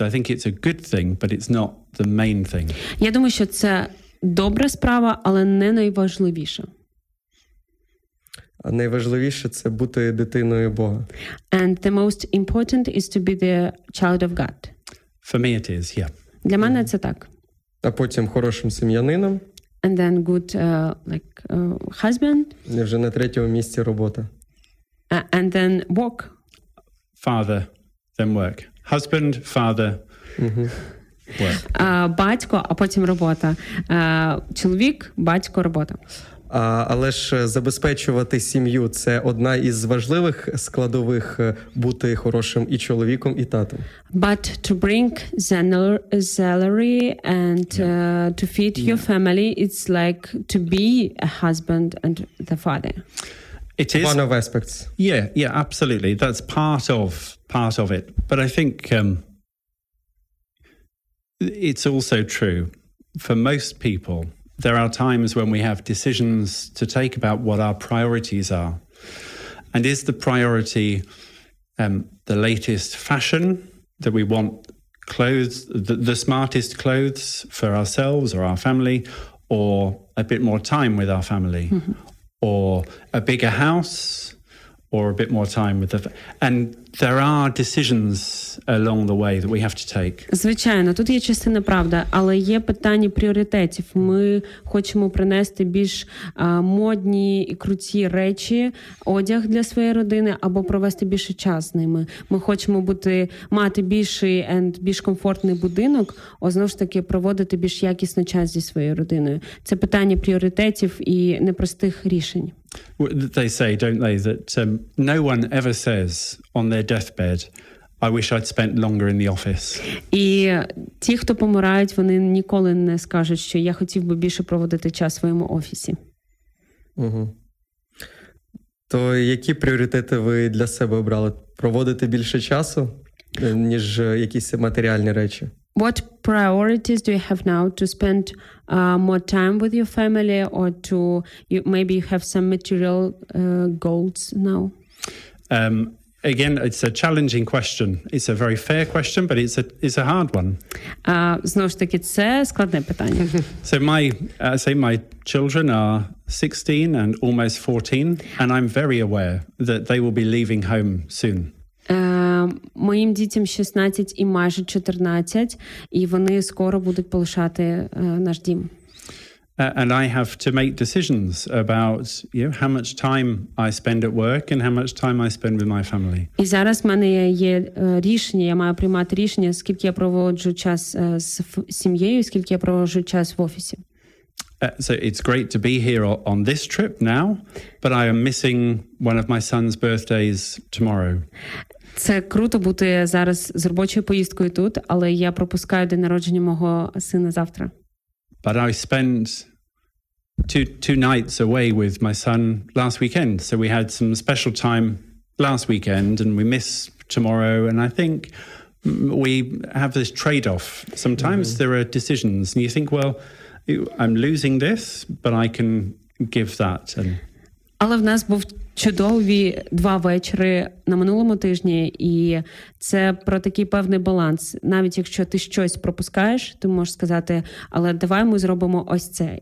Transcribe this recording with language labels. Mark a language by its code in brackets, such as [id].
[en] So I think it's a good thing, but it's not the main thing. [uk] Я думаю, що це добра справа, але не найважливіша. А найважливіше це бути дитиною Бога. [en] And the most important is to be the child of God. For me it is, yeah. [uk] Для мене це так. А потім хорошим сім'янином. [en] And then good husband. [uk] Не вже на третьому місці робота. [en] And then work. Father, then work. Husband, father. Work. [uk] Батько, а потім робота. Чоловік, батько, робота. Але ж забезпечувати сім'ю – це одна із важливих складових бути хорошим і чоловіком, і татом. [en] But to bring salary and to feed your family, it's like to be a husband and the father. It is one of aspects. Yeah, absolutely. That's part of it. But I think it's also true for most people. There are times when we have decisions to take about what our priorities are. And is the priority the latest fashion that we want clothes, the smartest clothes for ourselves or our family, or a bit more time with our family, mm-hmm. or a bigger house, or a bit more time with the and there are decisions along the way that we have to take. [uk] Звичайно, тут є частина правда, але є питання пріоритетів. Ми хочемо принести більш модні і круті речі, одяг для своєї родини або провести більше часу з ними. Ми хочемо бути мати більший [en] and [uk] більш комфортний будинок, а знову ж таки проводити більш якісний час зі своєю родиною. Це питання пріоритетів і непростих рішень. [en] They say, don't they, that no one ever says on their deathbed, I wish I'd spent longer in the office. [uk] І ті, хто помирають, вони ніколи не скажуть, що я хотів би більше проводити час в своєму офісі. Угу. То які пріоритети ви для себе обрали? Проводити більше часу, ніж якісь матеріальні речі? [en] What priorities do you have now to spend more time with your family or to you, maybe you have some material goals now? Again, it's a challenging question. It's a very fair question, but it's a hard one. [uk] Знову ж таки, це складне питання. [en] So my children are 16 and almost 14, and I'm very aware that they will be leaving home soon. [uk] Моїм дітям 16 і майже 14, і вони скоро будуть полишати наш дім. [en] And I have to make decisions about, you know, how much time I spend at work and how much time I spend with my family. [uk] І зараз в мене є рішення, я маю приймати рішення, скільки я проводжу час з сім'єю, скільки я проводжу час в офісі. [en] So it's great to be here on this trip now, but I am missing one of my son's birthdays tomorrow. [uk] Це круто бути зараз з робочою поїздкою тут, але я пропускаю день народження мого сина завтра. [en] But I spent two nights away with my son last weekend, so we had some special time last weekend and we miss tomorrow, and I think we have this trade-off. Sometimes mm-hmm. there are decisions and you think, well, I'm losing this, but I can give that. And... [uk] Але в нас був чудові два вечори на минулому тижні, і це про такий певний баланс. Навіть якщо ти щось пропускаєш, ти можеш сказати, але давай ми зробимо ось це.